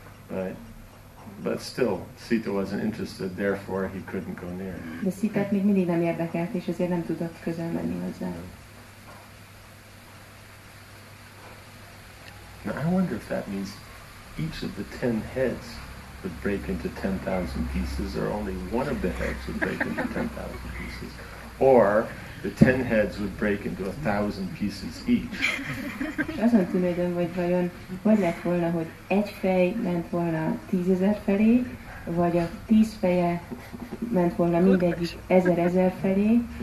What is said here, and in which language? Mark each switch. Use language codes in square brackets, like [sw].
[en] Right. But still, Sita wasn't interested, therefore he couldn't go near. [hu] De Sitát még mindig nem érdekelt, és ezért nem tudott közel menni hozzá. [en] Now I wonder if that means each of the 10 heads would break into 10,000 pieces, or only one of the heads would break into 10,000 pieces, or the 10 heads would break into 1,000 pieces each. [hu] Azon tűnődöm, hogy vajon hogy lett volna, hogy egy fej ment volna 10,000 felé, vagy a 10 feje ment volna mindegyik 1,000 felé.